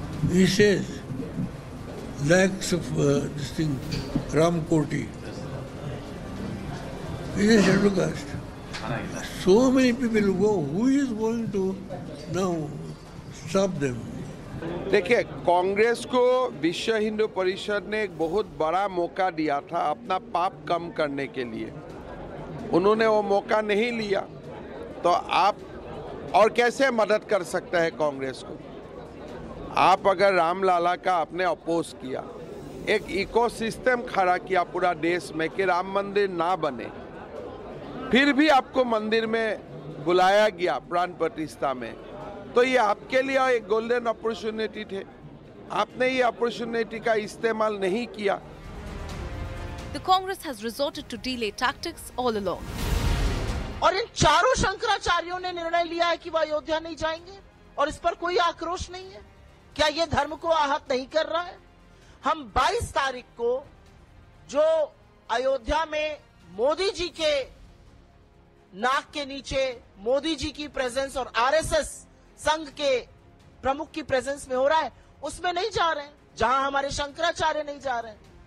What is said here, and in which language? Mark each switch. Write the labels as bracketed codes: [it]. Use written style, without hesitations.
[en] He says lakhs of this thing, Ram Koti. He is a shadow caste. So many people will go. Who is going to now stop them? [hi] देखिए कांग्रेस को विश्व हिंदू परिषद ने एक बहुत बड़ा मौका दिया था अपना पाप कम करने के लिए. उन्होंने वो मौका नहीं लिया तो आप और कैसे मदद कर सकता है कांग्रेस को. आप अगर रामलाला का आपने अपोज किया, एक इकोसिस्टम खड़ा किया पूरा देश में कि राम मंदिर ना बने, फिर भी आपको मंदिर में बुलाया गया प्राण प्रतिष्ठा में, तो ये आपके लिए एक गोल्डन अपॉर्चुनिटी थे. आपने ये अपॉर्चुनिटी का इस्तेमाल नहीं किया. [en] The Congress has resorted to delay tactics all along. [hi] और इन चारों शंकराचार्यों ने निर्णय लिया है कि वह अयोध्या नहीं जाएंगे और इस पर कोई आक्रोश नहीं है. क्या ये धर्म को आहत नहीं कर रहा है? हम 22 तारीख को जो अयोध्या में मोदी जी के नाक के नीचे मोदी जी की प्रेजेंस और आरएसएस संघ के प्रमुख की प्रेजेंस में हो रहा है, उसमें नहीं जा रहे हैं, जहां हमारे शंकराचार्य नहीं जा रहे हैं.